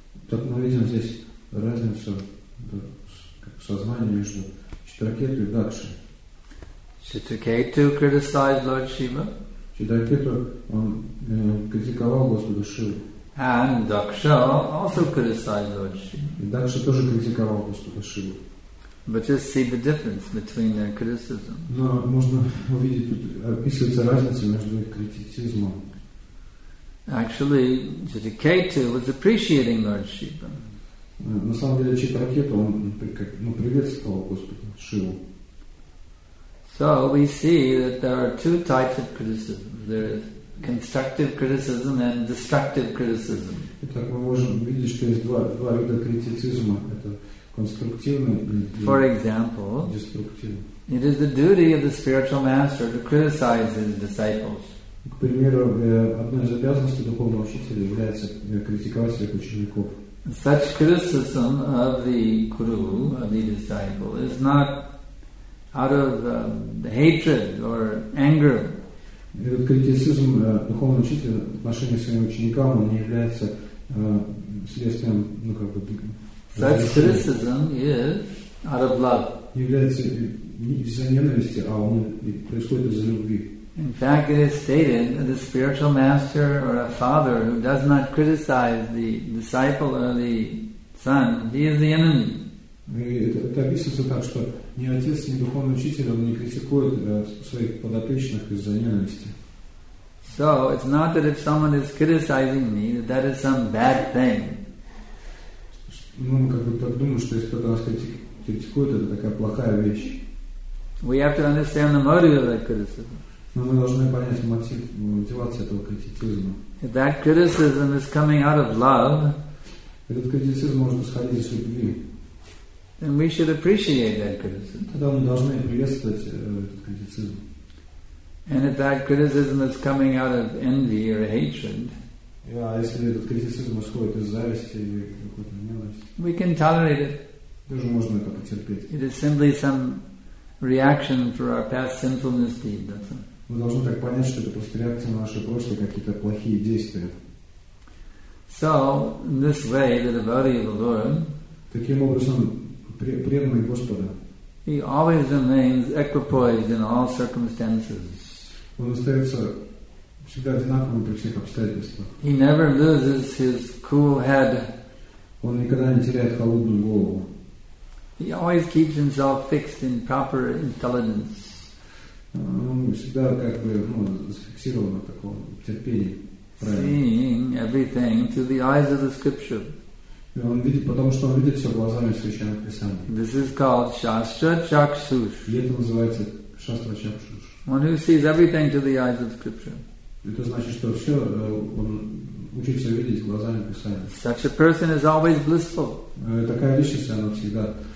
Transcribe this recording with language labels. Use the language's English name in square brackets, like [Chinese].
[Russian] Так мы видим здесь разницу в сознании между Читракету и Дакшей. [English] Chittaketu criticized Lord Shiva. [Russian] Читракету он критиковал Господа Шиву. [English] And Daksha also criticized Lord Shiva. [Russian] Дакша тоже критиковал Господа Шиву. [English] But just see the difference between their criticism. [Russian] Но можно увидеть, тут описывается разница между их критицизмом. [English] Actually, Chittaketu was appreciating Lord Shiva. [Russian] На самом деле, Читракету он приветствовал Господа Шиву. [English] So we see that there are two types of criticism. There is constructive criticism and destructive criticism. [Russian] Итак, мы можем видеть, что есть два вида критицизма. Это конструктивный и деструктивный. [English] For example, it is the duty of the spiritual master to criticize his disciples. [Russian] К примеру, одна из обязанностей духовного учителя является критиковать своих учеников. [English] Such criticism of the guru, of the disciple, is not out of hatred or anger. [Russian] Этот критицизм духовного учителя в отношении своим ученикам он не является следствием, ну как бы. [English] Such criticism is out of love. [Russian] Является не из-за ненависти, а он происходит из-за любви. [English] In fact, it is stated that a spiritual master or a father who does not criticize the disciple or the son, he is the enemy. [Russian] Это описывается так, что ни отец, ни духовный учитель, он не критикует своих подопечных из-за ненависти. [English] So, it's not that if someone is criticizing me, that is some bad thing. [Russian] Ну, мы как бы так думаем, что если кто-то нас критикует, это такая плохая вещь. [English] We have to understand the motive of that criticism. [Russian] Но мы должны понять мотив, мотивацию этого критицизма. [English] If that criticism is coming out of love, [Russian] этот критицизм может исходить из любви. [English] Then we should appreciate that criticism. [Russian] Тогда мы должны приветствовать этот критицизм. [English] And if that criticism is coming out of envy or hatred, [Russian] если этот критицизм исходит из зависти или какой-то ненависти, [English] we can tolerate it. [Russian] Тоже можно это потерпеть. [English] It is simply some reaction for our past sinful misdeeds. [Russian] Мы должны так понять, что это просто реакция на наши прошлые какие-то плохие действия. [English] So, in this way, the devotee of the Lord, [Russian] таким образом, преданный Господа, [English] he always remains equipoised in all circumstances. [Russian] Он остается всегда одинаковым при всех обстоятельствах. [English] He never loses his cool head. [Russian] Он никогда не теряет холодную голову. [English] He always keeps himself fixed in proper intelligence. [Russian] Он всегда как бы зафиксирован на таком терпении. [English] Seeing everything through the eyes of the scripture. [Russian] И он видит, потому что он видит все глазами Священного Писания. [English] This is called Shastra Chakshush. [Russian] И это называется Shastra Chakshush. [English] One who sees everything through the eyes of scripture. [Russian] Это значит, что все он учится видеть глазами Писания. [English] Such a person is always blissful. [Russian] Такая личность, она всегда.